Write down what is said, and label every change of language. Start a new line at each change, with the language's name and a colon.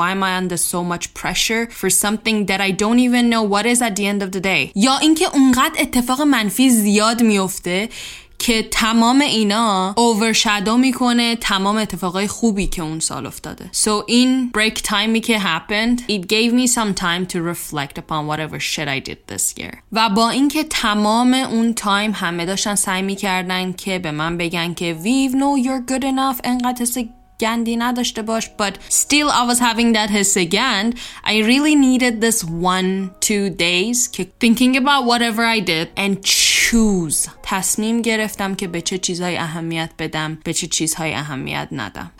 English: Why am I under so much pressure for something that I don't even know what is at the end of the day?
Persian: یا اینکه اونقدر اتفاق منفی زیاد میفته که تمام اینا اورشادو میکنه تمام اتفاقای خوبی که اون سال افتاده.
English: So in break time که happened, it gave me some time to reflect upon whatever shit I did this year.
Persian: و با اینکه تمام اون تایم همه داشتن سعی میکردن که به من بگن که
English: Viv, no, you're good enough,
Persian: انقدر حس گندی نداشته باش,
English: but still I was having that
Persian: حس گند.
English: I really needed this one, two days thinking about whatever I did and choose.
Persian: تصمیم گرفتم که به چه چیزهای اهمیت بدم، به چه چیزهای اهمیت ندم.